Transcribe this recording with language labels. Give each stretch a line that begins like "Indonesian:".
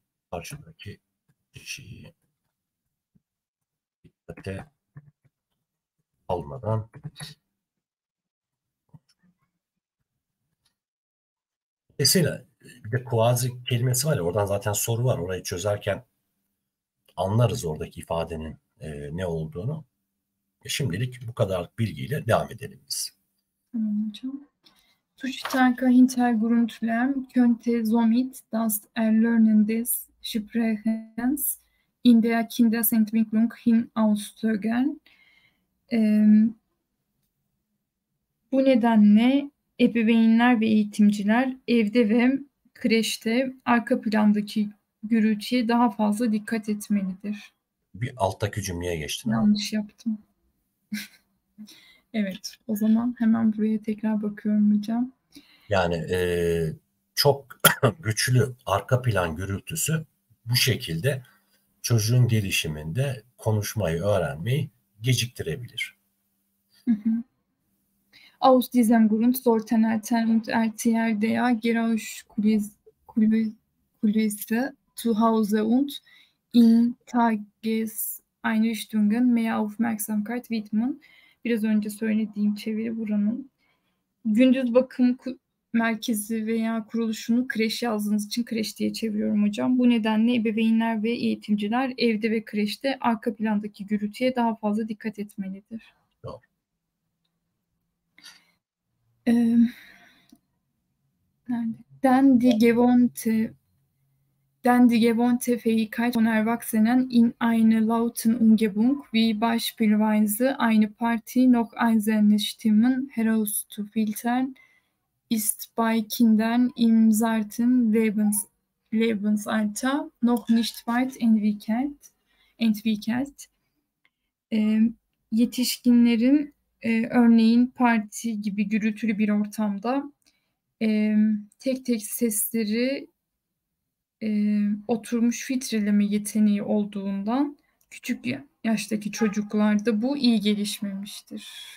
Turkish: Karşıdaki kişiyi dikkate almadan mesela bir de kuazi kelimesi var ya, oradan zaten soru var. Orayı çözerken anlarız oradaki ifadenin ne olduğunu. Şimdilik bu kadar bilgiyle devam edelim biz. hocam.
German: Tuştanka Hintergrundlärm könnte somit das Erlernen des Sprechens in der Kindesentwicklung hinauszögern.
Turkish: Bu nedenle ebeveynler ve eğitimciler evde ve kreşte arka plandaki gürültüye daha fazla dikkat etmelidir. Bir alttaki cümleye geçtin ha. Yanlış yaptım. Evet, o zaman hemen buraya tekrar bakıyorum hocam. Yani çok güçlü arka plan gürültüsü bu şekilde çocuğun gelişiminde konuşmayı öğrenmeyi geciktirebilir.
German: Aus diesem Grund sollten Eltern und Erzieher der Geräuschkulisse Hause und in Tages Einrichtungen mehr Aufmerksamkeit widmen.
Turkish: Biraz önce söylediğim çeviri buranın. Gündüz bakım merkezi veya kuruluşunu kreş yazdığınız için kreş diye çeviriyorum hocam. Bu nedenle ebeveynler ve eğitimciler evde ve kreşte arka plandaki gürültüye daha fazla dikkat etmelidir.
German: Dann die gewohnte Fähigkeit von Erwachsenen in einer lauten Umgebung, wie beispielsweise eine Party, noch einzelne Stimmen herauszufiltern, ist bei Kindern im zarten Lebensalter noch nicht weit entwickelt.
Turkish: Yetişkinlerin örneğin parti gibi gürültülü bir ortamda tek tek sesleri oturmuş filtreleme yeteneği olduğundan küçük yaştaki çocuklarda bu iyi gelişmemiştir.